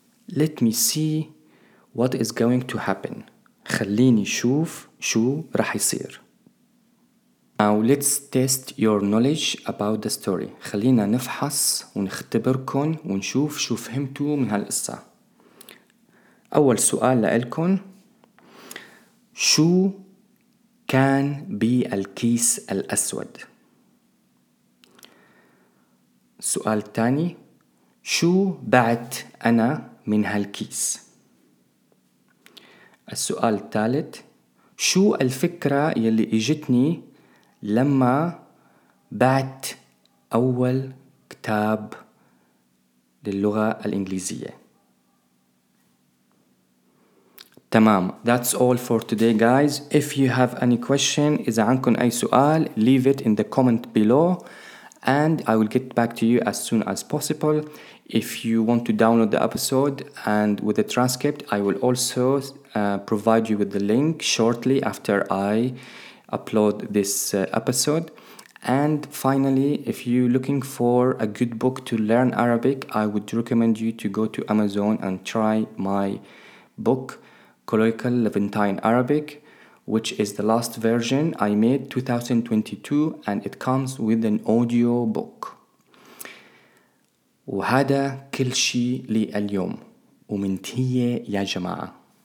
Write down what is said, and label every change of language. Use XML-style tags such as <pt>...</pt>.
<en>Let me see what is going to happen.</en> <ar>خليني شوف شو رح يصير.</ar> <en>Now let's test your knowledge about the story.</en> <ar>خلينا نفحص ونختبركن ونشوف شو فهمتوا من هالقصة. أول سؤال لألكن، شو كان بالكيس الأسود؟ سؤال تاني، شو بعت أنا من هالكيس؟ السؤال الثالث، شو الفكرة يلي إجتني لما بعت أول كتاب للغة الإنجليزية؟ تمام.</ar> <en>That's all for today, guys. If you have any question,</en> <ar>إذا عندكم أي سؤال,</ar> <en>leave it in the comment below, and I will get back to you as soon as possible. If you want to download the episode and with the transcript, I will also provide you with the link shortly after I upload this episode. And finally, if you're looking for a good book to learn Arabic, I would recommend you to go to Amazon and try my book, Colloquial Levantine Arabic, which is the last version I made 2022, and it comes with an audio book.</en> <ar>وهذا كل شيء لليوم ومنتهي يا جماعه.</ar>